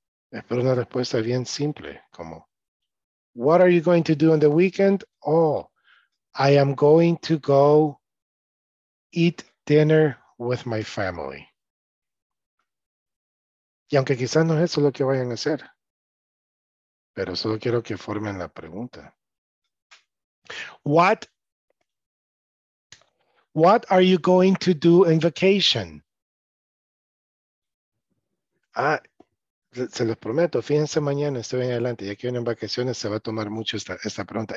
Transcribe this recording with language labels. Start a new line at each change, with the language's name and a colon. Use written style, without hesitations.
Spanish: Espero una respuesta bien simple, como,
English: what are you going to do on the weekend? Oh, I am going to go eat dinner with my family.
Spanish: Y aunque quizás no es eso lo que vayan a hacer, pero solo quiero que formen la pregunta.
English: What are you going to do in vacation?
Spanish: Se los prometo, fíjense mañana, estoy en adelante, ya que vienen vacaciones, se va a tomar mucho esta pregunta.